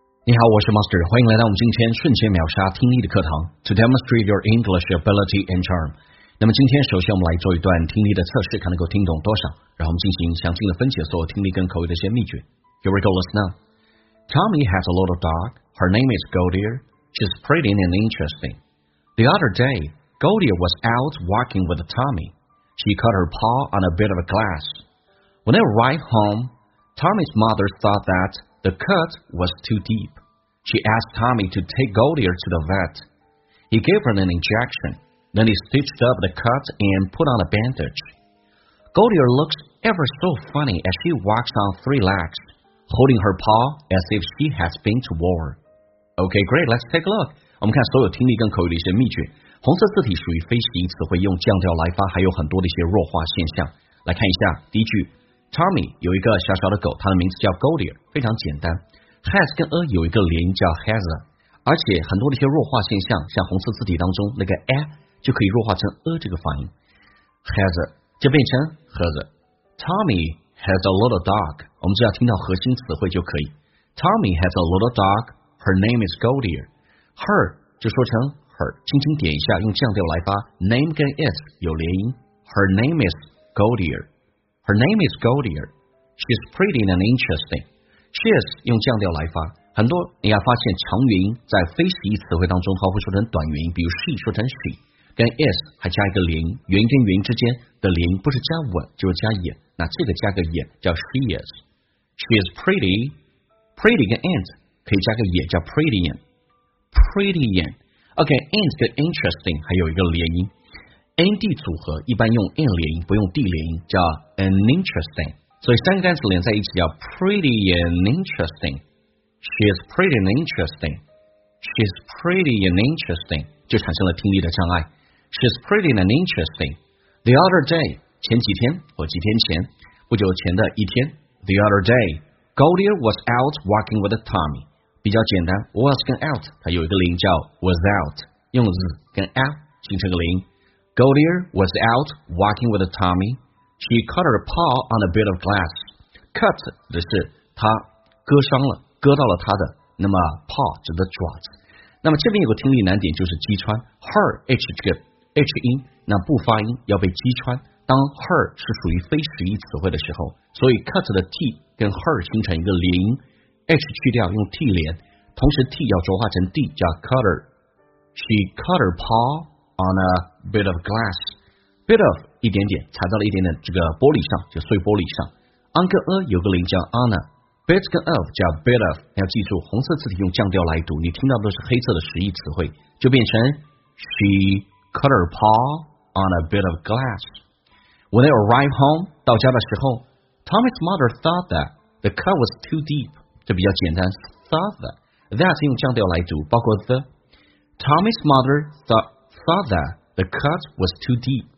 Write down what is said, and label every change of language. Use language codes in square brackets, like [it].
[zh] 你好，我是 Master， 欢迎来到我们今天瞬间秒杀听力的课堂 [en] To demonstrate your English ability and charm。 [zh] 那么今天首先我们来做一段听力的测试，看能够听懂多少，然后我们进行详尽的分解所有听力跟口语的一些秘诀。 [en] Here we go, listen up. Tommy has a little dog. Her name is Goldie. She's pretty and interesting. The other day, Goldie was out walking with Tommy. She cut her paw on a bit of a glass. When they arrived home, Tommy's mother thought thatThe cut was too deep. She asked Tommy to take Goldie to the vet. He gave her an injection. Then he stitched up the cut and put on a bandage. Goldie looks ever so funny as she walks on three legs, holding her paw as if she has been to war. Okay, great. Let's take a look. [zh] 我们看所有听力跟口语的一些秘诀。红色字体属于非习词汇，用降调来发，还有很多的一些弱化现象。来看一下第一句。 Tommy 有一个小小的狗，它的名字叫 Goldie， 非常简单。 Has 跟 a 有一个连音叫 has， 而且很多的一些弱化现象，像红色字体当中那个 a 就可以弱化成 a 这个发音 ，has 就变成 has。 [en] Tommy has a little dog， [zh] 我们只要听到核心词汇就可以。 [en] Tommy has a little dog， her name is Goldie， her [zh] 就说成 [en] her， [zh] 轻轻点一下，用降调来发 [en] ，name 跟 is [zh] 有连音 [en] ，her name is Goldie。 Her name is Goldie. She's pretty and interesting. [zh] She's 用降调来发，很多你要发现长元音在非习词汇当中，它会说成短元音，比如 she 说成 she， 跟 is 还加一个连音，元音跟元音之间的连音不是加 we 就是加 ye， 那这个加个 ye 叫 she is. [en] She is pretty. [zh] Pretty 跟 and 可以加个 ye 叫 pretty and. [en] Pretty and. [zh] OK, and 跟 interesting 还有一个连音。and 组合一般用 and 连音，不用 d 连音，叫 an interesting。所以三个单词连在一起叫 [en] pretty and interesting。 She's pretty and interesting. She's pretty and interesting， [zh] 就产生了听力的障碍。 [en] She's pretty and interesting. The other day， [zh] 前几天或几天前，不久前的一天。 [en] The other day， Goldie was out walking with Tommy。 [zh] 比较简单 ，was 跟 out， 它有一个连音叫 was out， 用 z 跟 l 形成个连音。 [en] Goldie was out walking with Tommy. She cut her paw on a bit of glass. [zh] Cut 的是她割伤了，割到了她的那么 paw 指的爪子。那么这边有个听力难点，就是击穿 her h 这个 h 音，那不发音要被击穿。当 her 是属于非实义词汇的时候，所以 cut 的 t 跟 her 形成一个连音 ，h 去掉用 t 连，同时 t 要浊化成 d 叫 cutter. [en] She cut her paw. On a bit of glass, [zh] bit of 一点点，踩到了一点点这个玻璃上，就碎玻璃上。 on 跟 a 有个零叫 on a, bit 跟 of 叫 bit of。要记住，红色字体用降调来读，你听到的是黑色的实义词汇，就变成 [en] she cut her paw on a bit of glass. When they arrived home, [zh] 到家的时候 [en] ，Tommy's mother thought that the cut was too deep. [zh] 这比较简单 ，thought that that 用降调来读，包括 the. [en] Tommy's mother thought. Thought that the cut was too deep.